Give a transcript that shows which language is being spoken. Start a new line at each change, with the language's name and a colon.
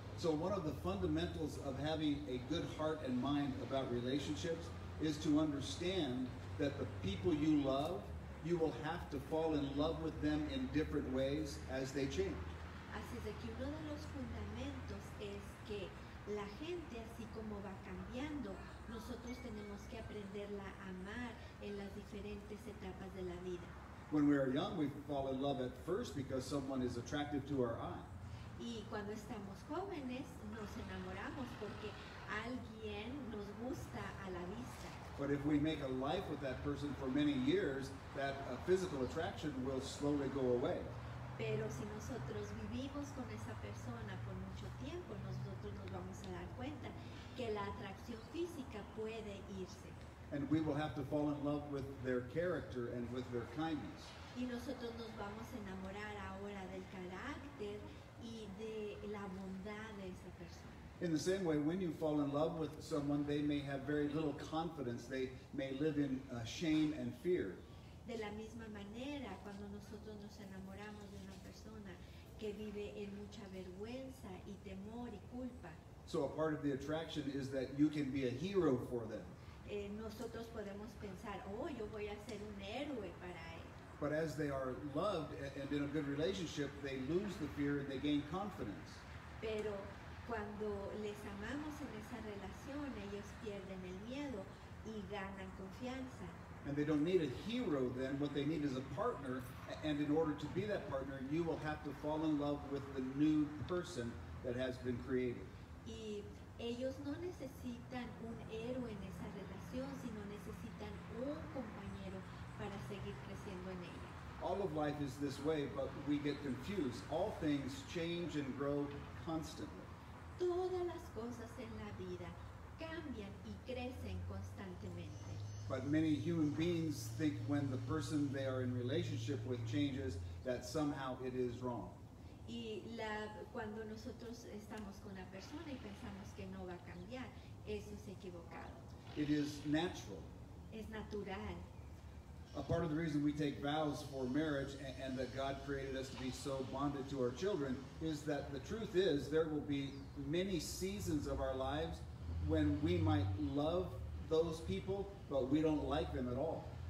English: So one of the fundamentals of having a good heart and mind about relationships is to understand that the people you love, you will have to fall in love with them in different ways as they change.
Spanish: Así es que uno de los fundamentos es que la gente así como va cambiando, nosotros tenemos que aprenderla a amar en las diferentes etapas de la vida.
English: When we are young, we fall in love at first because someone is attractive to our eye.
Spanish: Y cuando estamos jóvenes, nos enamoramos porque alguien nos gusta a la vista.
English: But if we make a life with that person for many years, that physical attraction will slowly go away.
Spanish: Pero si nosotros vivimos con esa persona por mucho tiempo, nosotros nos vamos a dar cuenta que la atracción física puede irse.
English: And we will have to fall in love with their character and with their kindness.
Spanish: Y nosotros nos vamos a enamorar ahora del carácter y de la bondad de esa persona.
English: In the same way, when you fall in love with someone, they may have very little confidence. They may live in shame and fear.
Spanish: De la misma manera, cuando nosotros nos enamoramos de una persona que vive en mucha vergüenza y temor y culpa.
English: So a part of the attraction is that you can be a hero for them.
Spanish: Nosotros podemos pensar, oh, yo voy a ser un héroe para él.
English: But as they are loved and in a good relationship, they lose the fear and they gain confidence.
Spanish: Pero cuando les amamos en esa relación, ellos pierden el miedo y ganan confianza.
English: And they don't need a hero then, what they need is a partner, and in order to be that partner, you will have to fall in love with the new person that has been created.
Spanish: Y ellos no necesitan un héroe en esa relación, sino necesitan un compañero para seguir creciendo en ella.
English: All of life is this way, but we get confused. All things change and grow constantly.
Spanish: Todas las cosas en la vida cambian y crecen constantemente.
English: But many human beings think when the person they are in relationship with changes that somehow it is wrong.
Spanish: Y cuando nosotros estamos con una persona y pensamos que no va a cambiar, eso es equivocado.
English: It is natural.
Spanish: Es natural.
English: A part of the reason we take vows for marriage and that God created us to be so bonded to our children is that the truth is there will be many seasons of our lives when we might love those people, but we don't like them at all.